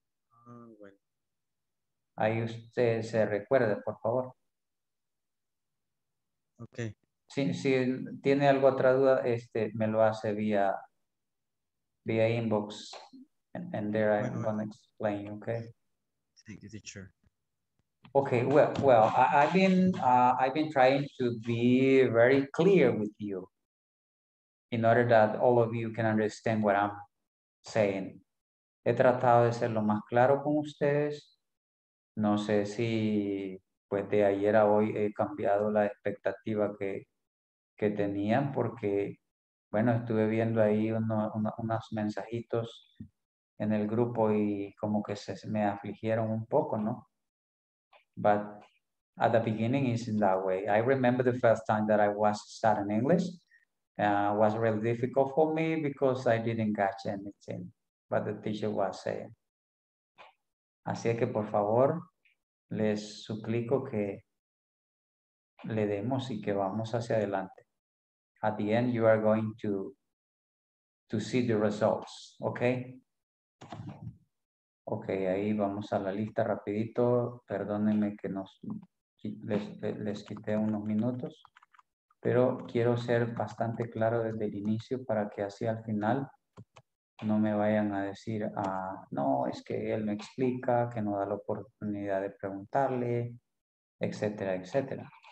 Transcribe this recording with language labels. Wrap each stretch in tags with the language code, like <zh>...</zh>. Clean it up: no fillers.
<es>Ah, bueno. Ahí usted se recuerde, por favor.</es> <en>Okay.</en> <es>Si tiene algo otra duda, me lo hace vía inbox.</es> <en>And there I'm going to explain, okay? Thank you, teacher. Okay, well I've been trying to be very clear with you in order that all of you can understand what I'm saying.</en> <es>He tratado de ser lo más claro con ustedes. No sé si pues de ayer a hoy he cambiado la expectativa que tenían, porque, bueno, estuve viendo ahí unos mensajitos en el grupo y como que se me afligieron un poco, ¿no?</es> <en>But at the beginning, it's in that way. I remember the first time that I was studying English. It was really difficult for me because I didn't catch anything what the teacher was saying.</en> <es>Así que, por favor, les suplico que le demos y que vamos hacia adelante.</es> <en>At the end, you are going to see the results, okay?</en> <es>Okay, ahí vamos a la lista rapidito. Perdónenme que nos les quité unos minutos, pero quiero ser bastante claro desde el inicio para que así al final no me vayan a decir, no, es que él me explica, que no da la oportunidad de preguntarle, etcétera, etcétera.</es>